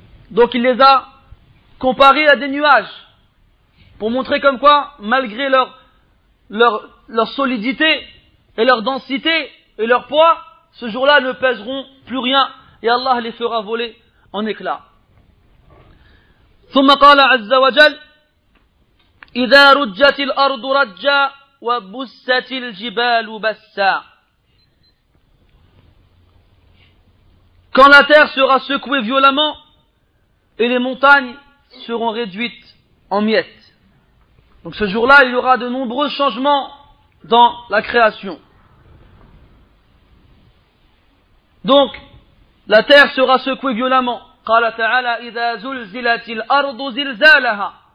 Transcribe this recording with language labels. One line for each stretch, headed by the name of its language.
French: Donc il les a comparées à des nuages, pour montrer comme quoi, malgré leur solidité et leur densité et leur poids, ce jour-là ne pèseront plus rien et Allah les fera voler en éclats.
Arabic: ثم قال عز وجل إذا رجت الأرض رجا وبست الجبال بسا.
French: Quand la terre sera secouée violemment et les montagnes seront réduites en miettes. Donc ce jour-là, il y aura de nombreux changements dans la création. Donc la terre sera secouée violemment.
Arabic: قال تعالى إذا زلزلت الأرض زلزالها.